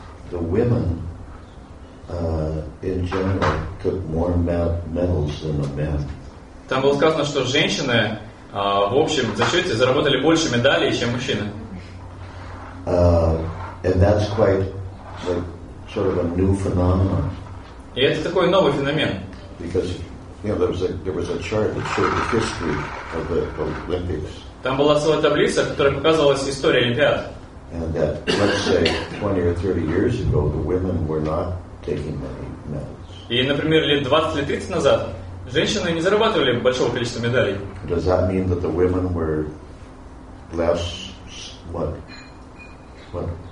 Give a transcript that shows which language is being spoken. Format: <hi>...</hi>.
<en>The women in general took more medals than the men.</en> <ru>Там было сказано, что женщины в общем зачете заработали больше медалей, чем мужчины.</ru> <en>And that's quite like sort of a new phenomenon.</en> <ru>И это такой новый феномен.</ru> <en>Because you know there was a chart that showed the history of the Olympics.</en> <ru>Там была целая таблица, которая показывала историю Олимпиад.</ru> <en>And that, let's say, 20 or 30 years ago, the women were not taking many medals.</en> <ru>И, например, лет 20 или 30 назад женщины не зарабатывали большого количества медалей.</ru> <en>Does that mean that the women were less what the</en>